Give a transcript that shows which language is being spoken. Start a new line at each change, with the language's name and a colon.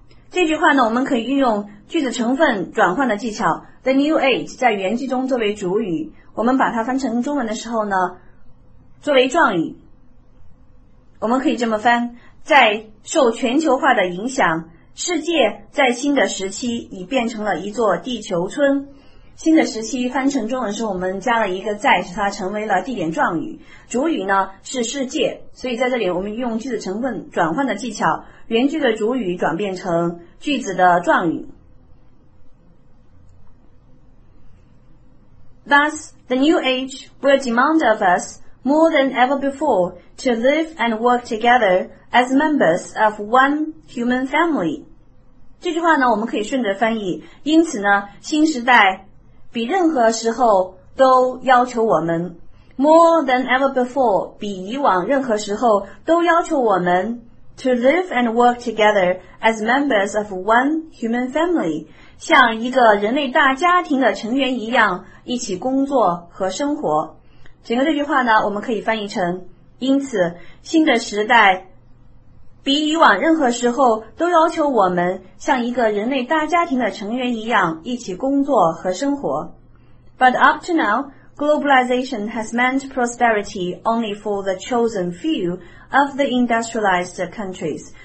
Chinese: 这句话呢我们可以运用句子成分转换的技巧，
English: The new age
Chinese: 在原句中作为主语，我们把它翻成中文的时候呢作为状语，我们可以这么翻，在受全球化的影响，世界在新的时期已变成了一座地球村。新的时期翻成中文时，我们加了一个在，使它成为了地点状语，主语呢是世界，所以在这里我们用句子成分转换的技巧，原句的主语转变成句子的状语。
English: Thus the new age will demand of us more than ever before to live and work together as members of one human family.
Chinese: 这句话呢我们可以顺着翻译，因此呢新时代比任何时候都要求我们
English: more than ever before，
Chinese: 比以往任何时候都要求我们
English: to live and work together as members of one human family，
Chinese: 像一个人类大家庭的成员一样一起工作和生活。整个这句话呢我们可以翻译成，因此新的时代比以往任何时候都要求我们像一个人类大家庭的成员一样一起工作和生活。
English: But up to now, globalization has meant prosperity only for the chosen few of the industrialized countries.